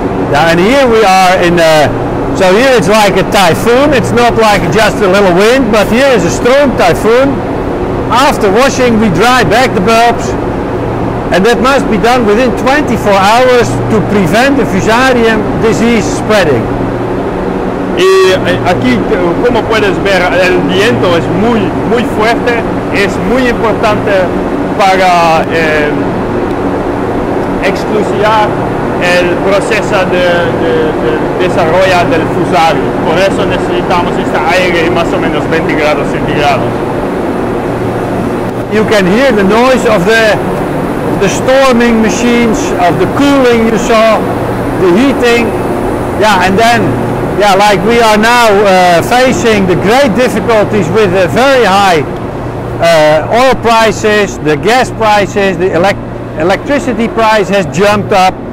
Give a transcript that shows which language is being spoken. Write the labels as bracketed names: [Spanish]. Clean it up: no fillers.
[English] Now, and here we are in the, so here it's like a typhoon, it's not like just a little wind, but here is a storm typhoon. After washing, we dry back the bulbs, and that must be done within 24 hours to prevent the fusarium disease spreading. [Spanish] Y aquí, como puedes ver, el viento es muy, muy fuerte, es muy importante para exclusivar el proceso de desarrollo del fusario. Por eso necesitamos este aire de más o menos 20 grados centígrados. [English] You can hear the noise of the storming machines, of the cooling you saw, the heating. Yeah, and then, yeah, like we are now facing the great difficulties with the very high oil prices, the gas prices, the electricity price has jumped up.